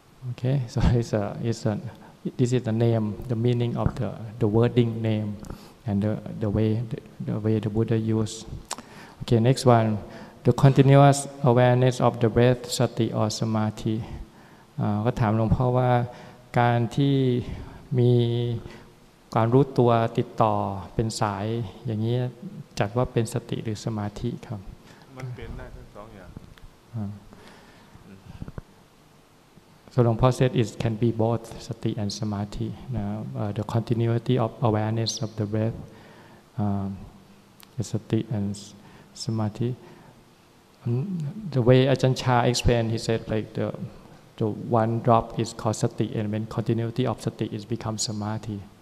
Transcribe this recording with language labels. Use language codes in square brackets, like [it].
[en] Okay, so this is the name, the meaning of the wording name, and the way the Buddha used. Okay, next one, the continuous awareness of the breath, sati or samadhi. [th] ก็ถามหลวงพ่อว่าการที่มีการรู้ตัวติดต่อเป็นสายอย่างนี้จัดว่าเป็นสติหรือสมาธิครับ มันเป็นได้ทั้งสองอย่าง [en] So Long Po said it can be both sati and samadhi the continuity of awareness of the breath is sati and samadhi the way Ajahn Chah explained he said like the one drop is called sati and when continuity of sati is become samadhilike